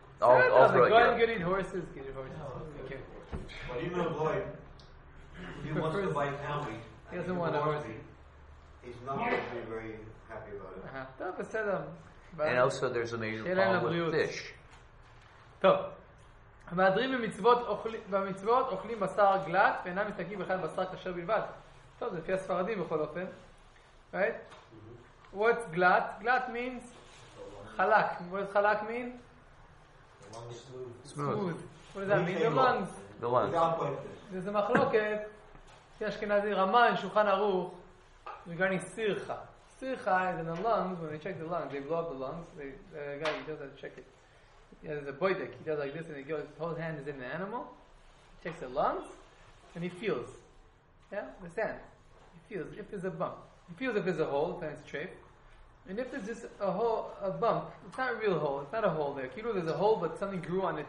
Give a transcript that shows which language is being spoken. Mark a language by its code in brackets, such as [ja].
[en] All throughout Europe. Go and get horses. Get your horses. Okay. But even a boy, he wants to buy cow meat. He doesn't want a horse. He's not going to be very happy about it. Uh-huh. Don't upset. But and also there's a major problem with [he] bliut. [en] Fish. [he] טוב. המהדרים במצוות אוכלים בשר גלט ואינם מסתכלים בכלל בשר כשר בלבד. טוב, זה לפי הספרדים בכל אופן. [en] Right? What's glat? Glat means חלק. What does חלק mean? Smooth. What does that mean? The lungs. The lungs. [he] וזה מחלוקת. יש אשכנזי רמן, שולחן ערוך. [en] Regarding סירחה. Sircha is in the lungs. When they check the lungs, they blow up the lungs. The guy, he does that, check it. Yeah, there's a boydek. He does like this, and he goes, his whole hand is in the animal. He checks the lungs, and he feels. Yeah, the sand. He feels if there's a bump. He feels if there's a hole, then it's trafe. And if there's just a hole, a bump, it's not a real hole. It's not a hole there. Kilo, there's a hole, but something grew on it.